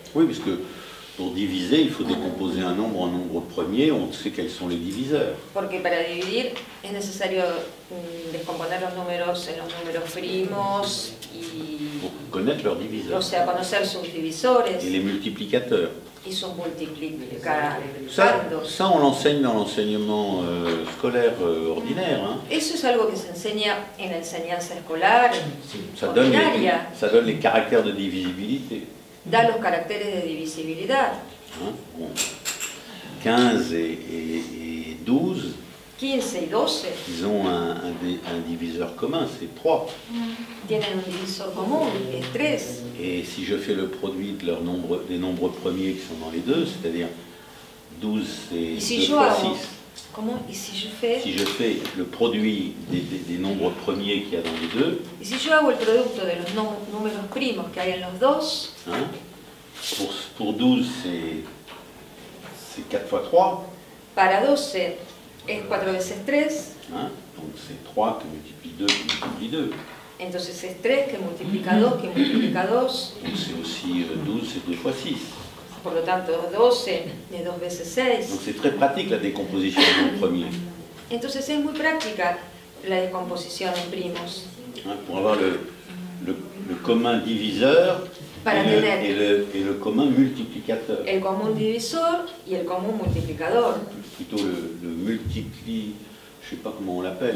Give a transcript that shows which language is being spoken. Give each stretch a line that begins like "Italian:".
French: Oui, parce que pour diviser, il faut décomposer un nombre en nombres premiers, on sait quels sont les diviseurs.
Spanish: Porque para dividir es necesario descomponer los números en los números primos y
French: pour connaître leurs diviseurs.
Spanish: O sea, conocer sus divisores.
French: Et les multiplicateurs. Ils sont multiplicables. Ça, on l'enseigne dans l'enseignement scolaire ordinaire. Hein.
Spanish: Eso es algo que se enseña en la enseñanza escolar.
French: Ça donne les caractères de divisibilité.
Spanish: Da los caracteres de divisibilidad.
French: Hein? Bon. 15 et 12.
Spanish: 15 y 12.
French: Ils ont un diviseur commun, c'est 3.
Spanish: Tienen un divisor común, es 3.
French: Et si je fais le produit de leur nombre, des nombres premiers qui sont dans les deux, c'est-à-dire 12 et 6. Comment? Et si je fais? Si je fais le produit des nombres premiers qu'il y a dans les deux. Et si je fais le produit de
Spanish: los números primos que hay en los dos.
French: Hein? Pour 12, c'est 4 fois 3.
Spanish: Para 12. Es 4 veces 3.
French: Hein? Donc c'est 3 que multiplie 2 que multiplie 2.
Spanish: Entonces es 3 que multiplica 2 que multiplica 2.
French: Donc c'est aussi 12, c'est 2 fois 6.
Spanish: Por lo tanto, 12 es 2 veces 6.
French: Donc c'est très pratique la décomposition en premiers.
Spanish: Entonces es muy práctica la descomposición en primos.
French: Hein? Pour avoir le commun diviseur et le commun multiplicateur.
Spanish: El común divisor y el común multiplicador.
French: Plutôt le multipli, je sais pas comment on l'appelle.